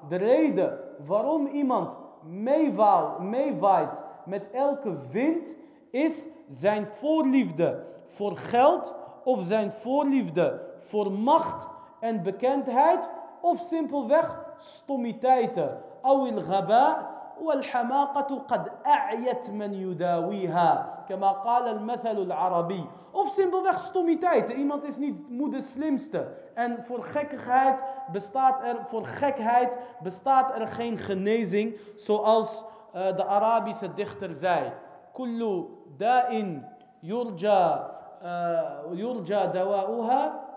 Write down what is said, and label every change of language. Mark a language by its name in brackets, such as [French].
[Dutch] De reden waarom iemand meewaait met elke wind is zijn voorliefde voor geld, of zijn voorliefde voor macht en bekendheid, of simpelweg stommiteiten. [Arabic] أو الغباء والحماقة قد أعيت من يداويها كما قال المثل العربي. [Dutch] Of simpelweg stommiteiten. Iemand is niet moederslimste. En voor gekkigheid bestaat er, voor gekheid bestaat er geen genezing, zoals de Arabische dichter zei: [Arabic] كل داء يرجى يُرْجَى دَوَاؤُهَا.